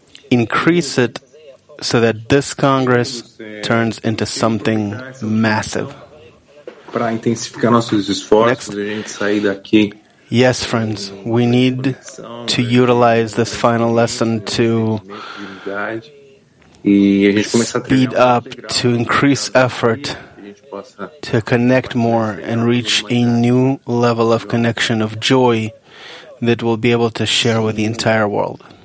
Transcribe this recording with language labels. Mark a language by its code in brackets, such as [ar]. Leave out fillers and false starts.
[en] Increase it so that this Congress turns into something massive. [pt] Para intensificar nossos esforços, a gente sair daqui. [en] Yes, friends, we need to utilize this final lesson to speed up, to increase effort, to connect more and reach a new level of connection of joy that we'll be able to share with the entire world.